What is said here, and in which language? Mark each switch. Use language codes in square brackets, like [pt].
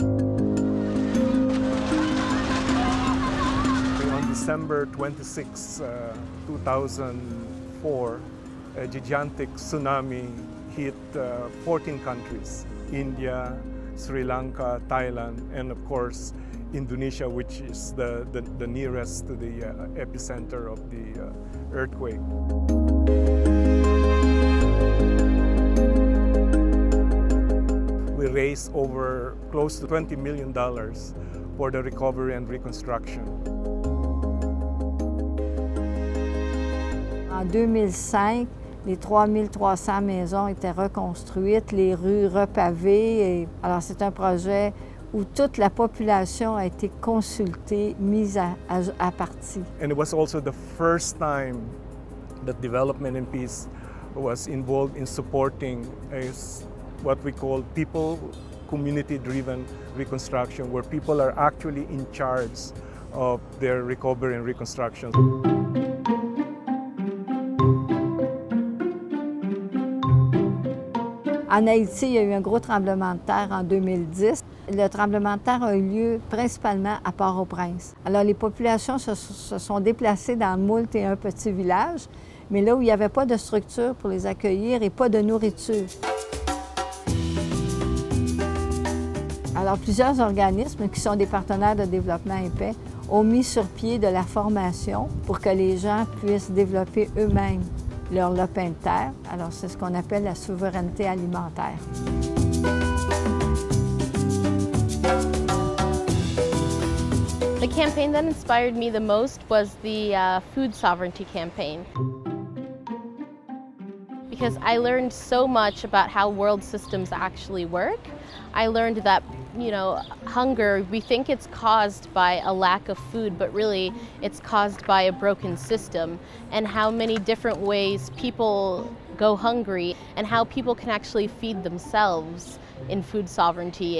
[en] On December 26, 2004, a gigantic tsunami hit 14 countries, India, Sri Lanka, Thailand, and of course, Indonesia, which is the nearest to the epicenter of the earthquake. We raised over close to $20 million for the recovery and reconstruction. [fr] In 2005, les 3300 maisons étaient reconstruites, les rues repavées. Alors c'est un projet où toute la population a été consultée, mise à partie. [en] And it was also the first time that Development and Peace was involved in supporting what we call people community-driven reconstruction, where people are actually in charge of their recovery and reconstruction. [fr] En Haïti, il y a eu un gros tremblement de terre en 2010. Le tremblement de terre a eu lieu principalement à Port-au-Prince. Alors, les populations se sont déplacées dans moult et un petit village, mais là où il n'y avait pas de structure pour les accueillir et pas de nourriture. Alors, plusieurs organismes qui sont des partenaires de développement et paix ont mis sur pied de la formation pour que les gens puissent développer eux-mêmes leur lopin de terre. Alors, c'est ce qu'on appelle la souveraineté alimentaire. [en] The campaign that inspired me the most was the food sovereignty campaign. Because I learned so much about how world systems actually work. I learned that, you know, hunger, we think it's caused by a lack of food, but really it's caused by a broken system, and how many different ways people go hungry and how people can actually feed themselves in food sovereignty.